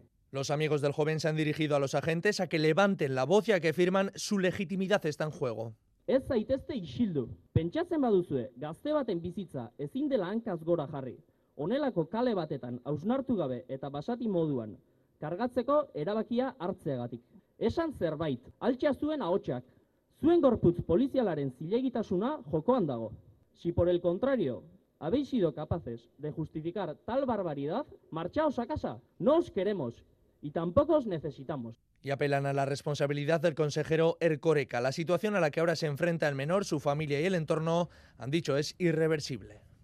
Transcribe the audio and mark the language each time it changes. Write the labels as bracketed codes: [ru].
[es] Los amigos del joven se han dirigido a los agentes a que levanten la voz y a que firman su legitimidad está en juego. [eu] Ez zaitezte isildu. Pentsatzen baduzue, gazte baten bizitza ezin dela hankaz gora jarri. Honelako kale batetan ausnartu gabe eta basati moduan kargatzeko erabakia hartzeagatik. Esan zerbait, altxa zuen ahotsak. Zuen gorputz polizialaren zilegitasuna jokoan dago. [es] Si por el contrario, habéis sido capaces de justificar tal barbaridad, marchaos a casa. No os queremos y tampoco os necesitamos. Y apelan a la responsabilidad del consejero Erkoreka. La situación a la que ahora se enfrenta el menor, su familia y el entorno han dicho es irreversible.